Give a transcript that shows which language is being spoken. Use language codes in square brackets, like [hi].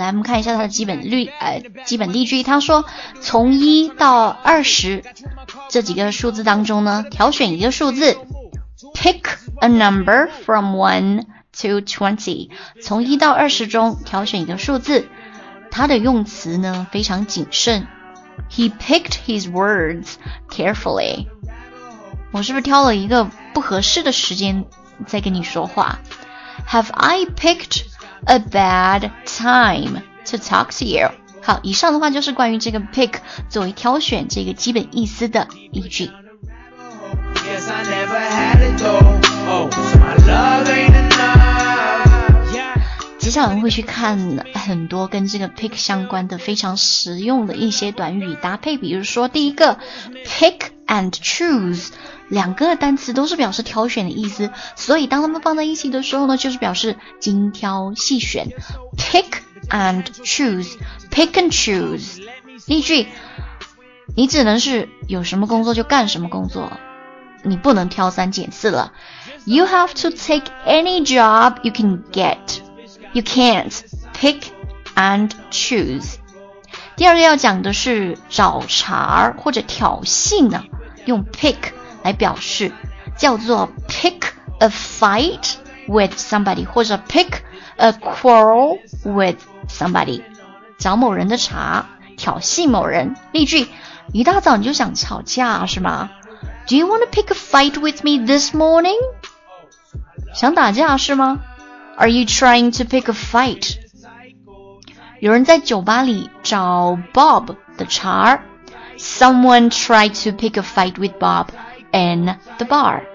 [zh] 来我们看一下它的基本例句，它说从一到二十这几个数字当中呢挑选一个数字， [en] pick a number from one to 20， [zh] 从一到二十中挑选一个数字。他的用词呢非常谨慎， [en] He picked his words carefully。 [zh] 我是不是挑了一个不合适的时间在跟你说话？ [en] Have I picked a bad time to talk to you？ [zh] 好，以上的话就是关于这个 pick 作为挑选这个基本意思的依据。 [en] Yes I never had a door, oh, my love ain't enough。 [zh] 接下来我们会去看很多跟这个 pick 相关的非常实用的一些短语搭配，比如说第一个 pick and choose， 两个单词都是表示挑选的意思，所以当他们放在一起的时候呢就是表示精挑细选， pick and choose， pick and choose。例句，你只能是有什么工作就干什么工作，你不能挑三拣四了。 [en] You have to take any job you can getYou can't pick and choose。 [zh] 第二个要讲的是找茬或者挑衅呢，用 pick 来表示，叫做 pick a fight with somebody 或者 pick a quarrel with somebody， 找某人的茬，挑衅某人。例句，一大早你就想吵架是吗？ [en] Do you want to pick a fight with me this morning？ [zh] 想打架是吗？ [en] Are you trying to pick a fight? [zh] 有人在酒吧里找 Bob 的茬。 [en] Someone tried to pick a fight with Bob in the bar.